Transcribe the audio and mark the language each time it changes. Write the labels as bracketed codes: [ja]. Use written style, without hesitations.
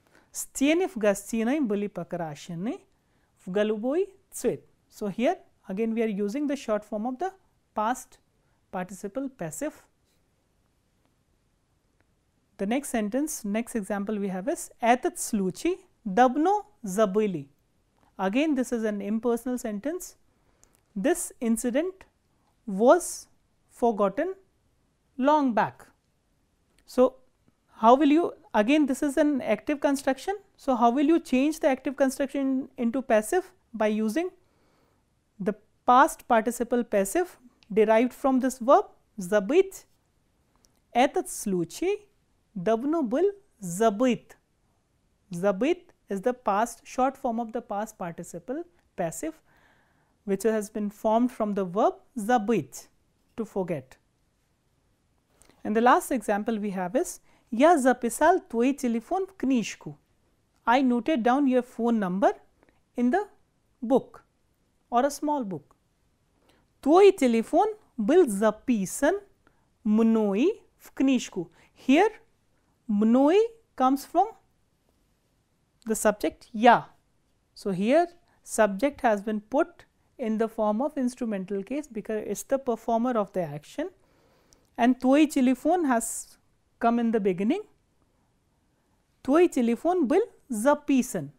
[ru] Стены в гостиной были покрашены в голубой цвет. [en] So, here again we are using the short form of the past participle passive. The next sentence, next example we have is [ru] этот случай давно забыли. [en] Again, this is an impersonal sentence. This incident was forgotten long back. So, how will you, again this is an active construction. So, how will you change the active construction into passive? By using the past participle passive derived from this verb забыть. [ru] Этот случай давно был забыт. [en] Забыт is the past short form of the past participle passive, which has been formed from the verb забыть, to forget. And the last example we have is [ru] я записал твой телефон в книжку. [en] I noted down your phone number in the book or a small book. [ru] Твой телефон был записан мной в книжку. [en] Here, мной comes from the subject я. So, here subject has been put in the form of instrumental case because it's the performer of the action. And твой телефон has come in the beginning. [ru] Твой телефон был записан.